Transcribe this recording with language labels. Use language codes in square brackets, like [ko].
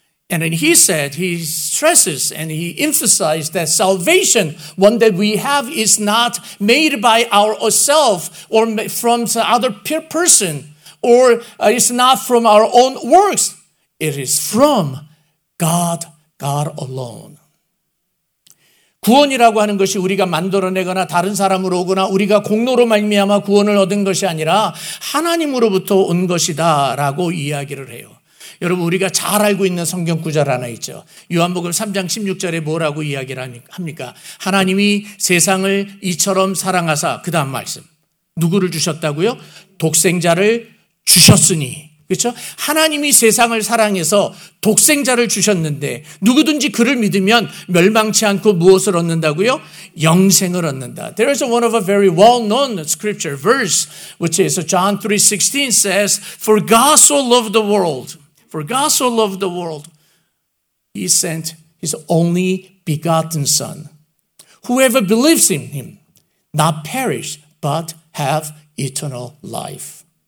[en] And then he said, he stresses and he emphasized that salvation, one that we have, is not made by ourselves or from the other person, or it's not from our own works. It is from God, God alone. [ko] 구원이라고 하는 것이 우리가 만들어내거나 다른 사람으로 오거나 우리가 공로로 말미암아 구원을 얻은 것이 아니라 하나님으로부터 온 것이다 라고 이야기를 해요. 여러분 우리가 잘 알고 있는 성경 구절 하나 있죠. 요한복음 3장 16절에 뭐라고 이야기를 합니까? 하나님이 세상을 이처럼 사랑하사 그 다음 말씀 누구를 주셨다고요? 독생자를 주셨으니. 그렇죠? 하나님이 세상을 사랑해서 독생자를 주셨는데 누구든지 그를 믿으면 멸망치 않고 무엇을 얻는다고요? 영생을 얻는다. [en] There is one of a very well-known scripture verse, which is John 3:16 says, For God so loved the world, for God so loved the world, he sent his only begotten son. Whoever believes in him, not perish, but have eternal life.